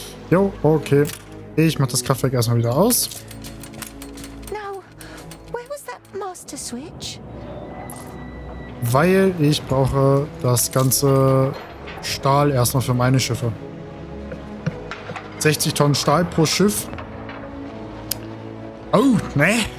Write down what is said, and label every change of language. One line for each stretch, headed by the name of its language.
German: Jo, okay. Ich mach das Kraftwerk erstmal wieder aus.
English: Now, where was that master switch?
German: Weil ich brauche das ganze Stahl erstmal für meine Schiffe. 60 Tonnen Stahl pro Schiff. Oh, ne?